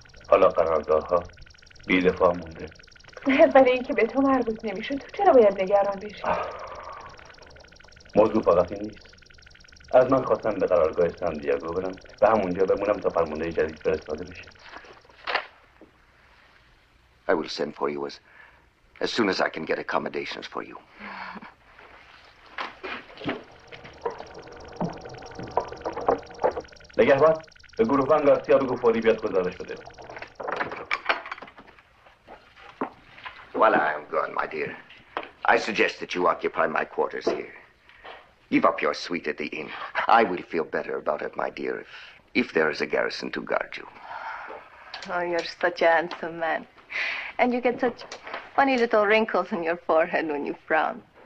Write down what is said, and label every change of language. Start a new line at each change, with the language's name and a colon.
Persian: حالا قرارگاه ها بی دفاع مونده. برای اینکه به تو مربوط نمیشه تو چرا باید نگران بشی؟ موضوع فقط این نیست. از من خواستم به قرارگاه سان دیگو برم و همونجا بمونم تا فرمانده جدید فرستاده بشه.
English: I will send for you as soon as I can get accommodations for you.
Persian: نگهبان، به گروهبان گارسیا بگو فوری بیاد گزارش بده.
English: While I am gone, my dear, I suggest that you occupy my quarters here. Give up your suite at the inn. I will feel better about it, my dear, if there is a garrison to guard you. Oh, you're such a handsome man. And you get such funny little wrinkles on your forehead when you frown.